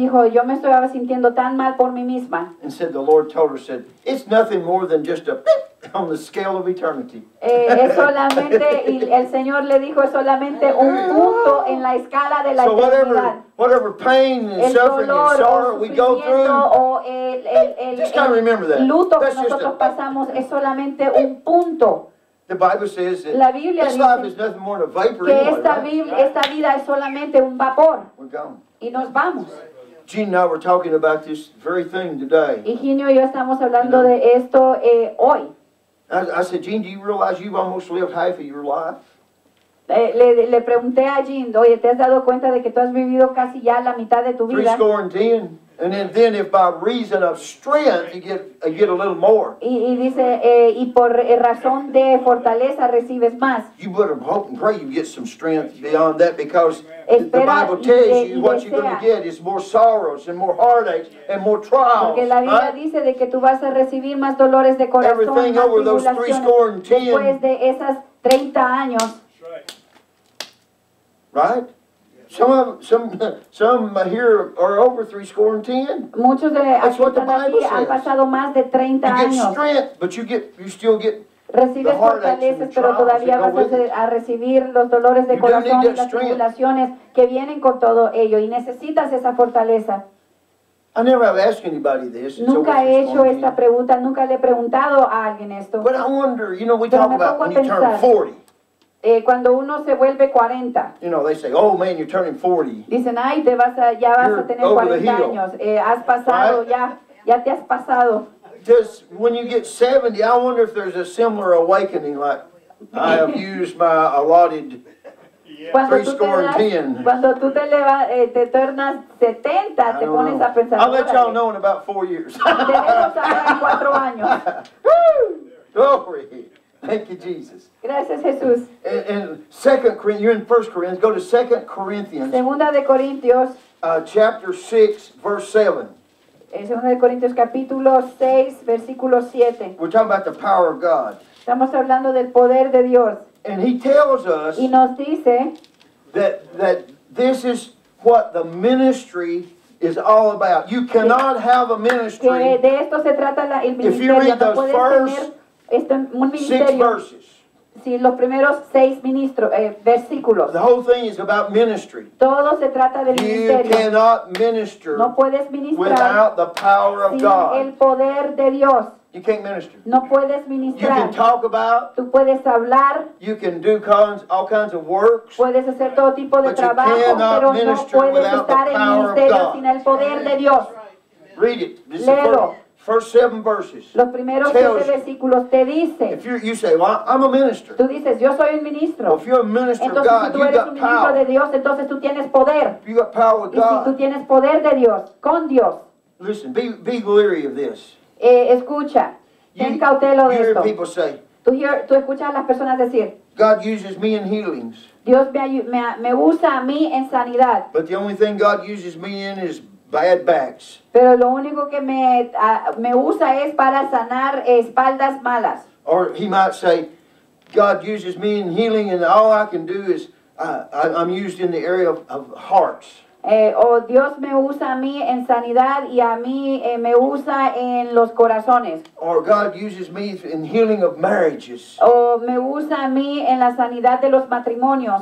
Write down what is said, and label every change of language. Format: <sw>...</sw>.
<es>Dijo, yo me estaba sintiendo tan mal por mí misma.</es> <en>And said the Lord told her, said it's nothing more than just a on the scale of eternity.</en> <es>Es solamente y el Señor le dijo es solamente un punto en la escala de la</es> <en>so</en> <es>eternidad.</es> <en>Whatever pain and suffering and sorrow we go through. Just kind of remember that.</en> <es>Luto que nosotros pasamos es solamente un punto.</es> <en>The Bible says that this life is nothing more than a vapor.</en> <es>Que esta vida es solamente un vapor.</es> <en>We're gone.</en> <es>Y nos vamos.</es> <en>Gene and I were talking about this very thing today.</en> <es>Y Gene y yo estamos hablando de esto hoy.</es> <en>I said, Gene, do you realize you've almost lived half of your life?</en> <es>Le pregunté a Gene, oye, ¿te has dado cuenta de que tú has vivido casi ya la mitad de tu vida?</es> <en>3 score and 10. And then if by reason of strength, you get a little more.</en> <es>Y dice, y por razón de fortaleza recibes más.</es> <en>You better hope and pray you get some strength beyond that because the Bible tells you what you're going to get is more sorrows and more heartaches and more trials.</en> <es>Porque la Biblia dice de que tú vas a recibir más dolores de corazón.</es> <en>Everything over those 3 score and 10.</en> <es>Después de esas 30 años.</es> <en>Right? Some here are over 3 score and 10.</en> <es>Muchos de</es> <en>that's what the Bible says.</en> <es>Han pasado más de 30</es> <en>you get</en> <es>años.</es> <en>Strength, but you still get</en> <es>recibes</es> <en>the heartaches and the</en> <es>pero todavía</es> <en>that</en> <es>vas a recibir los dolores de</es> <en>you</en> <es>corazón y las tribulaciones que vienen con todo ello y necesitas esa fortaleza.</es> <en>I never have asked anybody this.</en> <es>Nunca</es> <en>so</en> <es>he hecho esta pregunta. Nunca le he preguntado a alguien esto.</es> <en>But I wonder, you know, we talk about when</en> <es>pensar,</es> <en>you turn 40.</en> <es>Cuando uno se vuelve 40.</es> <en>You know, they say, oh man, you're turning 40.</en> <es>Dicen, ay, te vas a, ya vas a tener 40 años. Has pasado,</es> <en>right?</en> <es>ya te has pasado.</es> <en>Just when you get 70, I wonder if there's a similar awakening like I have used my allotted 3 score and 10.</en> <es>Cuando tú te te tornas 70, te pones a pensar.</es> <en>I'll let y'all know in about 4 years.</en> <es>Tenemos ahora en 4 años.</es> <en>Glory. Thank you, Jesus.</en> <es>Gracias, Jesús.</es> <en>And 2 Corinthians, you're in 1 Corinthians. Go to 2 Corinthians.</en> <es>Segunda de Corintios.</es> <en>Chapter 6, verse 7.</en> <es>En Segunda de Corintios, capítulo 6, versículo 7.</es> <en>We're talking about the power of God.</en> <es>Estamos hablando del poder de Dios.</es> <en>And he tells us.</en> <es>Y nos dice.</es> <en>That this is what the ministry is all about. You cannot have a ministry.</en> <es>Que de esto se trata la, el ministerio.</es> <en>If you read those first.</en> <es>Este, un ministerio. Si sí, los primeros 6 ministros, versículos.</es> <en>The whole thing is about ministry.</en> <es>Todo se trata del</es> <en>you</en> <es>ministerio.</es> <en>Cannot minister</en> <es>no puedes ministrar</es> <en>without the power of</en> <es>sin</es> <en>God.</en> <es>El poder de Dios.</es> <en>You can't minister.</en> <es>No puedes ministrar.</es> <en>You can talk about.</en> <es>Tú puedes hablar.</es> <en>You can do all kinds of works.</en> <es>Puedes hacer todo tipo de</es> <en>but</en> <es>trabajo,</es> <en>you cannot</en> <es>pero</es> <en>minister</en> <es>no puedes</es> <en>without</en> <es>estar</es> <en>the power</en> <es>en ministerio</es> <en>of God.</en> <es>Sin el poder de Dios.</es> <en>Read it.</en> <es>Léelo.</es> <en>First 7 verses.</en> <es>Los primeros 7 versículos te dicen.</es> <en>If you say, well, I'm a minister.</en> <es>Tú dices, yo soy un ministro.</es> <en>Well, if you're a minister</en> <es>entonces,</es> <en>of God,</en> <es>si tú eres</es> <en>you've got</en> <es>un ministro</es> <en>power.</en> <es>De Dios, entonces tú tienes poder.</es> <en>You got power with</en> <es>y</es> <en>God.</en> <es>Si tú tienes poder de Dios, con Dios.</es> <en>Listen, be leery of this.</en> <es>Escucha, ten cautelo de esto.</es> <en>You hear people say.</en> <es>Tú escuchas a las personas decir.</es> <en>God uses me in healings.</en> <es>Dios me usa a mí en sanidad.</es> <en>But the only thing God uses me in is bad backs.</en> <es>Pero lo único que me usa es para sanar espaldas malas.</es> <en>Or he might say, God uses me in healing and all I can do is I'm used in the area of hearts.</en> <es>Dios me usa a mí en sanidad y a mí me usa en los corazones.</es> <en>Or God uses me in healing of marriages.</en> <es>O me usa a mí en la sanidad de los matrimonios.</es>